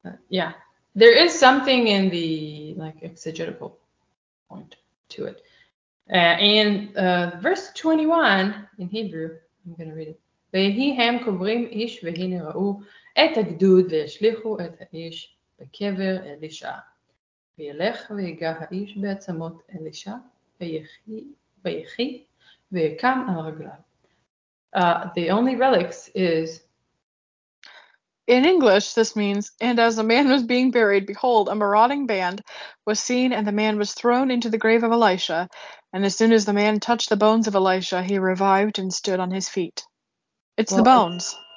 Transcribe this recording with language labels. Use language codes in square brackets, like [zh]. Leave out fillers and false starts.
[en] Yeah, there is something in the like exegetical point to it. And verse 21 in Hebrew, I'm going to read it. [he] ויהי הם קוברים איש והנה ראו את הגדוד וישליחו את האיש בקבר אלישע. וילך ויגע האיש בעצמות אלישע ויחי ויקם על רגליו. [en] The only relics is... In English, this means, and as a man was being buried, behold, a marauding band was seen, and the man was thrown into the grave of Elisha. And as soon as the man touched the bones of Elisha, he revived and stood on his feet. It's well, the bones.